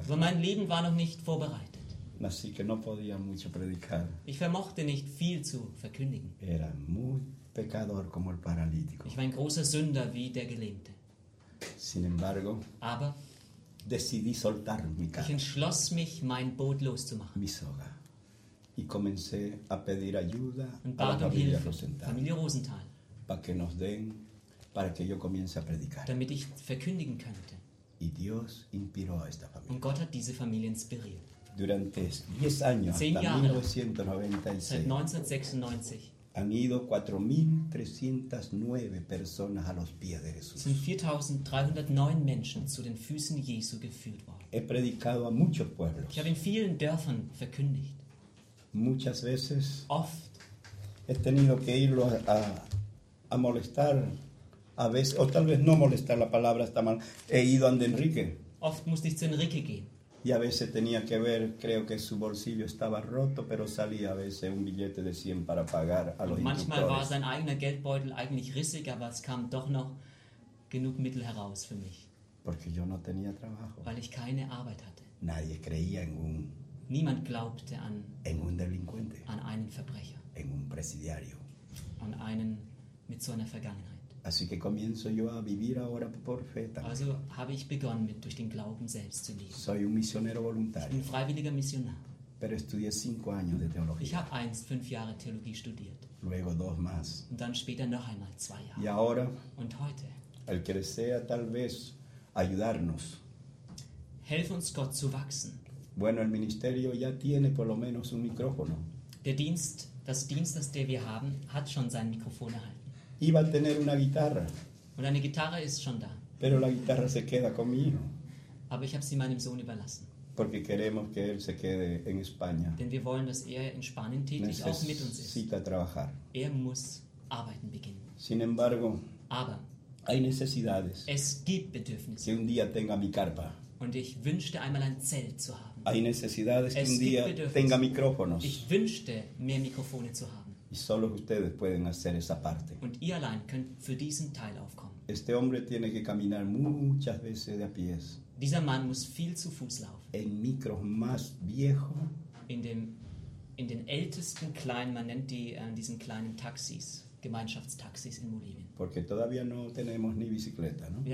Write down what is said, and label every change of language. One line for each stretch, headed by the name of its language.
German: Aber mein Leben war noch nicht vorbereitet.
Spanish: Así que no podía mucho predicar.
German: Ich vermochte nicht viel zu verkündigen.
Spanish: Era muy pecador como el paralítico.
German: Ich war ein großer Sünder wie der Gelähmte.
Spanish: Sin embargo,
German: aber
Spanish: decidí soltar mi casa.
German: Ich entschloss mich, mein Boot loszumachen.
Spanish: Mi soga. Y comencé a pedir ayuda a la familia Rosenthal,
German: Familie Rosenthal,
Spanish: para que nos den, para que yo comience a predicar,
German: damit ich verkündigen könnte.
Spanish: Y Dios inspiró a esta familia.
German: Und Gott hat diese Familie inspiriert.
Spanish: Durante 10 años, hasta 1996,
German: seit 1996,
Spanish: han ido 4.309 personas a los pies de Jesús.
German: Sind 4.309 Menschen zu den Füßen Jesu geführt worden.
Spanish: He predicado a muchos pueblos.
German: Ich habe in vielen Dörfern verkündigt.
Spanish: Muchas veces
German: oft
Spanish: he tenido que irlo a molestar a veces, o tal vez no molestar, la palabra está mal, he ido ante Enrique.
German: Oft musste ich zu Enrique gehen.
Spanish: Y a veces tenía que ver, creo que su bolsillo estaba roto, pero salía a veces un billete de 100 para pagar a los instructores.
German: Manchmal war sein eigener Geldbeutel eigentlich rissig, aber es kam doch noch genug Mittel heraus für mich.
Spanish: Porque yo no tenía trabajo.
German: Weil ich keine Arbeit hatte.
Spanish: Nadie creía en un...
German: Niemand glaubte an,
Spanish: en un delincuente,
German: an einen Verbrecher,
Spanish: en un presidiario,
German: an einen mit so einer Vergangenheit.
Spanish: Así que comienzo yo a vivir ahora por fe también.
German: Also habe ich begonnen, mit durch den Glauben selbst zu leben.
Spanish: Soy un misionero voluntario.
German: Ich bin freiwilliger Missionar.
Spanish: Pero estudié 5 años de teología.
German: Ich habe einst 5 Jahre Theologie studiert.
Spanish: Luego 2 más.
German: Und dann später noch einmal 2 Jahre.
Spanish: Y ahora,
German: und heute,
Spanish: el que desea tal vez ayudarnos.
German: Helf uns Gott zu wachsen.
Spanish: Bueno, el ministerio ya tiene por lo menos un micrófono.
German: Der Dienst, das Dienst, das der wir haben, hat schon sein Mikrofon erhalten.
Spanish: Iba a tener una guitarra.
German: Und eine Gitarre ist schon da.
Spanish: Pero la guitarra se queda conmigo.
German: Aber ich habe sie meinem Sohn überlassen.
Spanish: Porque queremos que él se quede en España.
German: Denn wir wollen, dass er in Spanien tätig
Spanish: Necesita
German: auch mit uns ist.
Spanish: Trabajar.
German: Er muss arbeiten beginnen.
Spanish: Sin embargo,
German: aber
Spanish: hay necesidades.
German: Es gibt Bedürfnisse.
Spanish: Que un día tenga mi carpa.
German: Und ich wünschte, einmal ein Zelt zu haben.
Spanish: Hay necesidades que un día tenga micrófonos.
German: Ich wünschte, mehr Mikrofone zu haben.
Spanish: Y solo ustedes pueden hacer esa parte.
German: Und ihr allein könnt für diesen Teil aufkommen.
Spanish: Este hombre tiene que caminar muchas veces de a pies.
German: Dieser Mann muss viel zu Fuß laufen.
Spanish: El micro más viejo.
German: In den ältesten kleinen, man nennt die diesen kleinen Taxis, Gemeinschaftstaxis in Bolivien.
Spanish: Porque todavía no tenemos ni bicicleta, ¿no?